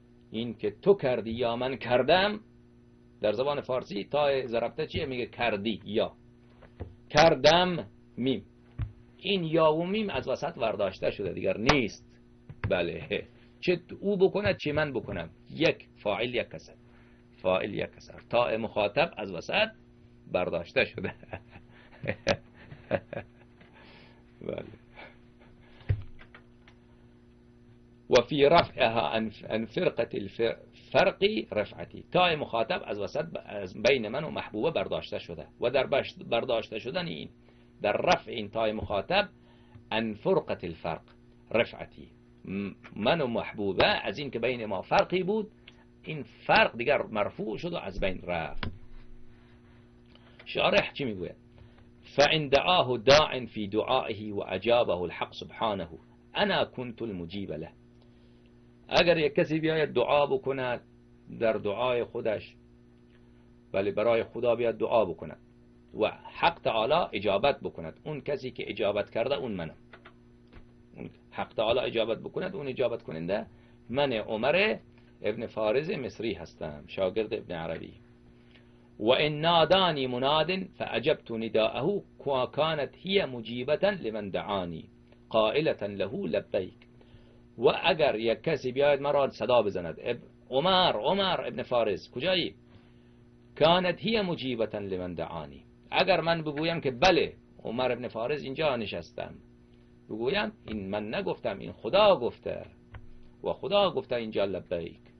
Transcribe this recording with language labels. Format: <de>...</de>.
<fa>این که تو کردی یا من کردم در زبان فارسی تای ضربته چیه؟ میگه کردی یا کردم، میم، این یا و میم از وسط برداشته شده دیگر نیست، بله چه او بکند چه من بکنم، یک فاعل یک اثر، فاعل یک اثر، تا مخاطب از وسط برداشته شده. بله.</fa> <ar>وفي رفعها عن فرقة الفرق رفعتي.</ar> <fa>تاي مخاطب از وسط بين من و محبوبه برداشته شده، و در برداشته شدن این در رفع این تاي مخاطب</fa> <ar>عن فرقة الفرق رفعتي،</ar> <fa>من و محبوبه از اینکه بین ما فرقی بود این فرق دیگر مرفوع شد و از بین رفت. شارح چی میگوید؟</fa> <ar>فإن دعاه داع في دعائه وأجابه الحق سبحانه أنا كنت المجيب له.</ar> <fa>اگر یک کسی بیاید دعا بکند در دعای خودش، ولی برای خدا بیاید دعا بکند و حق تعالی اجابت بکند، اون کسی که اجابت کرده اون منم، اون حق تعالی اجابت بکند، اون اجابت کننده من عمر ابن فارز مصری هستم، شاگرد ابن عربی.</fa> <ar>و ان نادانی مناد فاجبت نداءه وكانت هي مجيبة لمن دعاني قائلة له لبيك.</ar> <fa>و اگر یک کسی بیاید مرا صدا بزند، عمر، عمر ابن فارس کجایی؟</fa> <ar>كانت هي مجيبة لمن دعاني،</ar> <fa>اگر من بگویم که بله عمر ابن فارس اینجا نشستم، بگویم این من نگفتم، این خدا گفته و خدا گفته اینجا لبیک.</fa>